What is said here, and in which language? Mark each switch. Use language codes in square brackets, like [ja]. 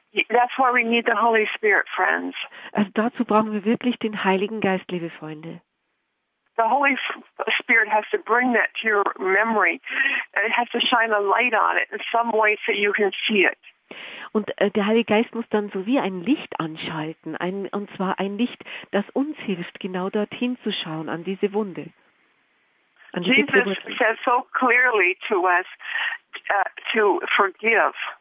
[en] That's why we need the Holy Spirit, friends. [de] Also dazu brauchen wir wirklich den Heiligen Geist, liebe Freunde. [en] The Holy Spirit has to bring that to your memory. It has to shine a light on it in some way so you can see it. [de] Und der Heilige Geist muss dann so wie ein Licht anschalten, und zwar ein Licht, das uns hilft, genau dorthin zu schauen, an diese Wunde. An diese [en] Jesus says so clearly to us to forgive.